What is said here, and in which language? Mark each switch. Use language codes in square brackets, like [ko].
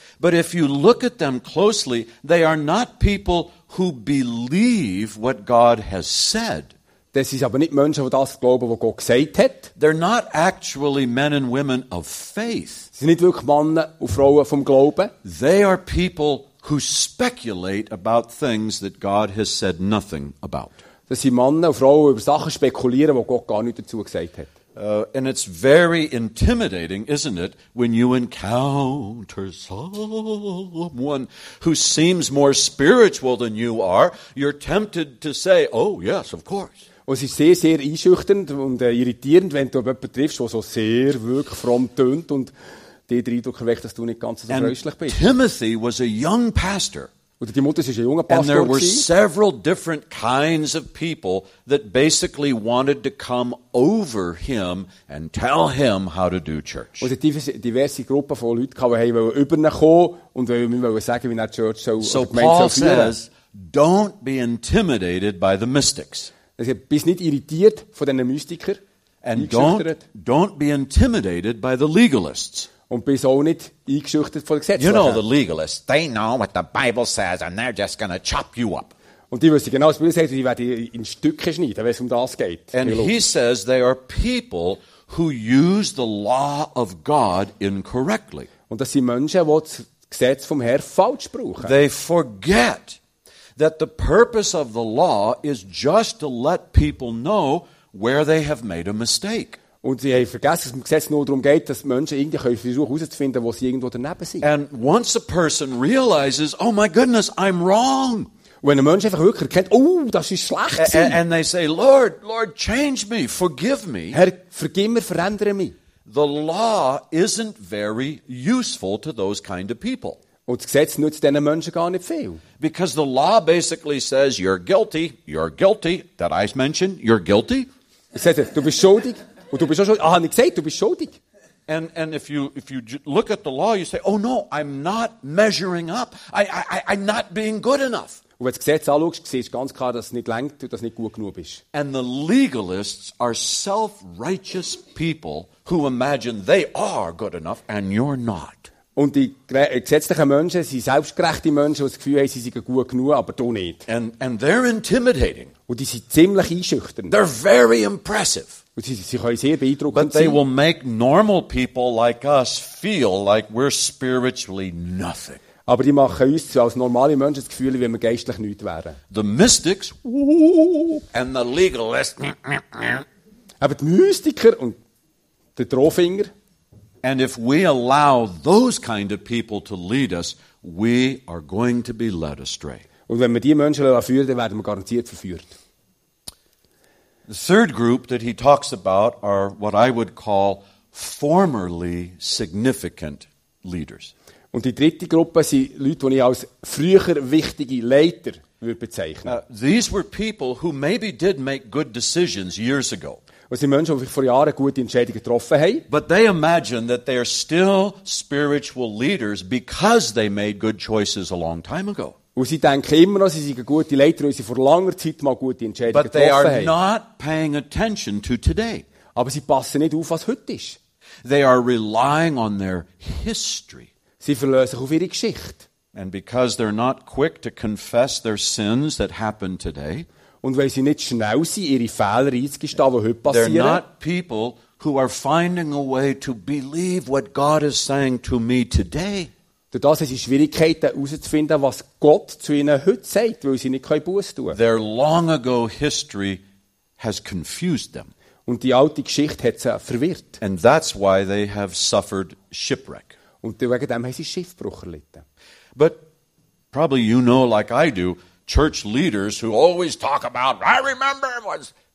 [en] But if you look at them closely, they are not people who believe what God has said. [de] Das ist aber nicht Menschen, die das glauben, was Gott gesagt hat. [en] They're not actually men and women of faith. [de] Sie sind nicht wirklich Männer und Frauen vom Glauben. [en] They are people who speculate about things that God has said nothing about. [de] Das sind Männer und Frauen, die über Sachen spekulieren, wo Gott gar nicht dazu gesagt hat. [en] And it's very intimidating, isn't it, when you encounter someone who seems more spiritual than you are, you're tempted to say, oh yes, of course. [de] Und es ist sehr, sehr einschüchternd und irritierend, wenn du jemanden triffst, der so sehr wirklich fromm tönt und dir den Eindruck erweckt, dass du nicht ganz so fröschlich bist. [en] Timothy was a young pastor. [de] Oder Timotheus ist ein junger Pastor. [en] And there were several different kinds of people that basically wanted to come over him and tell him how to do church. [de] Und diverse Gruppen von Leuten, die wollten über ihn kommen und wollten ihm sagen, wie er die Church soll, [en] so [de] oder die Gemeinde soll führen. [en] Paul says, don't be intimidated by the mystics. [de] Also, bist nicht irritiert von diesen Mystikern. [en] And don't be intimidated by the legalists. [de] Und bist auch nicht eingeschüchtert von den Gesetzen. [en] You know the legalists. They know what the Bible says and they're just going to chop you up. [de] Und die wissen genau, was die Bibel sagt, die werden in Stücke schneiden, wenn es um das geht. [en] And he says they are people who use the law of God incorrectly. [de] Und das sind Menschen, die das Gesetz vom Herrn falsch brauchen. [en] They forget that the purpose of the law is just to let people know where they have made a mistake. [de] Und sie haben vergessen, dass es im Gesetz nur darum geht, dass Menschen irgendwie versuchen herauszufinden, wo sie irgendwo daneben sind. [en] And once a person realizes, oh my goodness, I'm wrong. [de] Wenn ein Mensch einfach wirklich erkennt, oh, das ist schlecht. [en] And they say, Lord, change me, forgive me. [de] Herr, vergib mir, verändere mich. [en] The law isn't very useful to those kind of people. [de] Und das Gesetz nützt diesen Menschen gar nicht viel. [en] Because the law basically says, you're guilty, that I mentioned, you're guilty. [de] Du bist schuldig. Und du bist auch schuldig. Ah, habe ich gesagt, du bist schuldig. [en] And if you look at the law, you say, oh no, I'm not measuring up. I'm not being good enough. [de] Und wenn du das Gesetz anschaust, siehst du ganz klar, dass es nicht reicht und dass du nicht gut genug bist. [en] And the legalists are self-righteous people who imagine they are good enough and you're not. [de] Und die gesetzlichen Menschen sind selbstgerechte Menschen, die das Gefühl haben, sie seien gut genug, aber du nicht. [en] And they're intimidating. [de] Und die sind ziemlich einschüchternd. [en] They're very impressive. [de] Sie können sehr beeindruckend sein. [en] But they will make normal people like us feel like we're spiritually nothing. [de] Aber die machen uns so als normale Menschen das Gefühl, wie wir geistlich nichts wären. [en] The mystics, and the legalists, [de] aber die Mystiker und der Drohfinger. [en] And if we allow those kind of people to lead us, we are going to be led astray. [de] Und wenn wir die Menschen führen lassen, dann werden wir garantiert verführt. [en] The third group that he talks about are what I would call formerly significant leaders. [de] Und die dritte Gruppe sind Leute, die ich als früher wichtige Leiter würde bezeichnen. [en] Now, these were people who maybe did make good decisions years ago. [de] Das sind Menschen, die vor Jahren gute Entscheidungen getroffen haben. [en] But they imagine that they are still spiritual leaders because they made good choices a long time ago. [de] Und sie denken immer noch, sie sind gute Leiter, weil sie vor langer Zeit mal gute Entscheidungen getroffen [en] But they are [de] haben. [en] Not paying attention to today. [de] Aber sie passen nicht auf, was heute ist. [en] They are relying on their history. [de] Sie verlassen sich auf ihre Geschichte. [en] And because they're not quick to confess their sins that happened today. [de] Und weil sie nicht schnell sind, ihre Fehler einzugestehen, die heute passieren. [en] They're not people who are finding a way to believe what God is saying to me today. [de] Dadurch haben sie Schwierigkeiten herauszufinden, was Gott zu ihnen heute sagt, weil sie nicht Buße tun können. [en] Their long ago history has confused them. [de] Und die alte Geschichte hat sie verwirrt. [en] And that's why they have suffered shipwreck. [de] Und wegen dem haben sie Schiffbruch erlitten. [en] But probably you know like I do, church leaders who always talk about, I remember it was